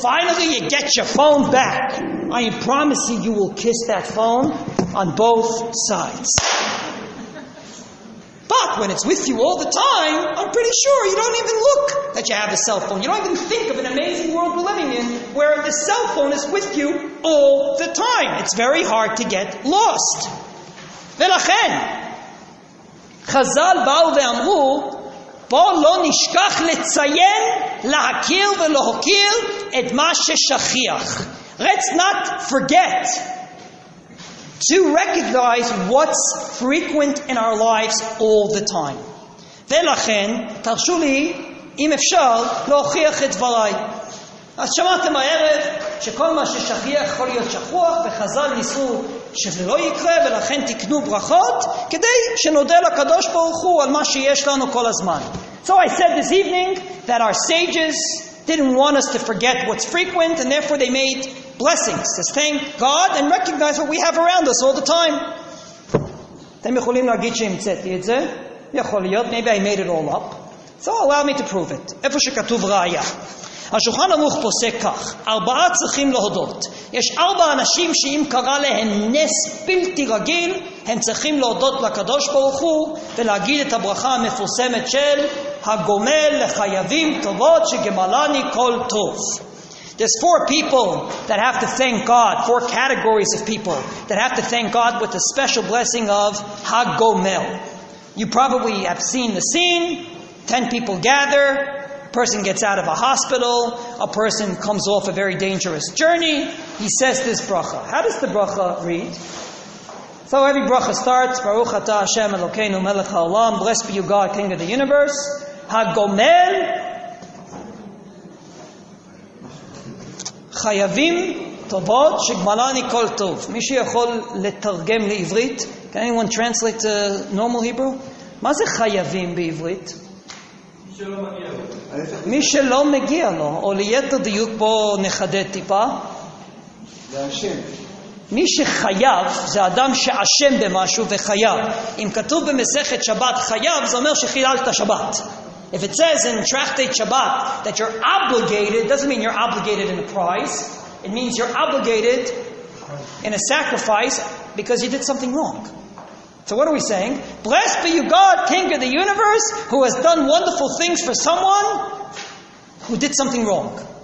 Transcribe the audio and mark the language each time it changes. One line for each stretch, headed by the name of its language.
English: Finally, you get your phone back. I promise you, you will kiss that phone on both sides. But when it's with you all the time, I'm pretty sure you don't even look that you have a cell phone. You don't even think of an amazing world we're living in where the cell phone is with you all the time. It's very hard to get lost.
Hebrew: ולכן, חז"ל באו ואמרו, בוא לא נשכח לציין, להכיר ולהוקיר את מה ששכיח.
English: Let's not forget to recognize what's frequent in our lives all the time.
Hebrew: ולכן, תרשו לי, אם אפשר, להוכיח את דבריי. אז שמעתם הערב שכל מה ששכיח יכול להיות שכוח, וחז"ל ניסו שזה לא יקרה, ולכן תקנו ברכות, כדי שנודה לקדוש ברוך הוא על מה שיש לנו כל הזמן.
English: So I said this evening that our sages didn't want us to forget what's frequent, and therefore they made blessings. Just thank God and recognize what we have around us all the time.
Hebrew: אתם יכולים להגיד שהמצאתי את זה? יכול להיות.
English: Maybe I made it all up. So allow me to prove it.
Hebrew: איפה שכתוב ראיה. השולחן ערוך פוסק כך. ארבעה צריכים להודות. יש ארבע אנשים שאם קרה להם נס בלתי רגיל, הם צריכים להודות לקדוש ברוך הוא ולהגיד את הברכה המפורסמת של הגומל לחייבים טובות שגמלני כל טוב.
English: There's four people that have to thank God, four categories of people that have to thank God with the special blessing of Hagomel. You probably have seen the scene. 10 people gather. A person gets out of a hospital. A person comes off a very dangerous journey. He says this bracha. How does the bracha read? So every bracha starts,
Hebrew: Baruch Ata Hashem Elokeinu Melech HaOlam,
English: blessed be you God, King of the Universe.
Hebrew: Hagomel חייבים טובות שגמלני כל טוב. מי שיכול לתרגם לעברית?
English: Can anyone translate to normal Hebrew?
Hebrew: מה זה חייבים בעברית? מי שלא מגיע לו, או ליתר דיוק בו נחדד טיפה. מי שחייב, זה אדם שאשם במשהו וחייב. אם כתוב במסכת שבת חייב, זה אומר שחיללת שבת.
English: If it says in tractate Shabbat that you're obligated, doesn't mean you're obligated in a price. It means you're obligated in a sacrifice because you did something wrong. So what are we saying? Blessed be you, God, King of the universe, who has done wonderful things for someone who did something wrong.